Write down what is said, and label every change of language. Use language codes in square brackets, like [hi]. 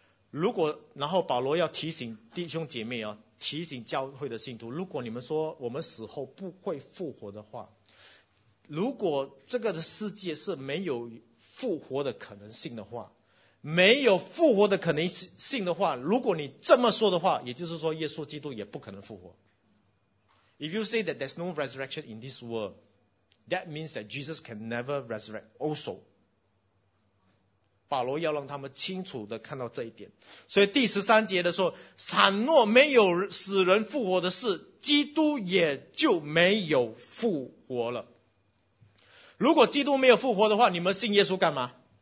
[zh] 如果然后保罗要提醒弟兄姐妹啊，提醒教会的信徒，如果你们说我们死后不会复活的话，如果这个的世界是没有复活的可能性的话，没有复活的可能性的话，如果你这么说的话，也就是说耶稣基督也不可能复活。 [en] If you say that there's no resurrection in this world, that means that Jesus can never resurrect also. [zh] 保罗要让他们清楚的看到这一点。所以第十三节的时候，倘若没有死人复活的事，基督也就没有复活了。如果基督没有复活的话，你们信耶稣干嘛？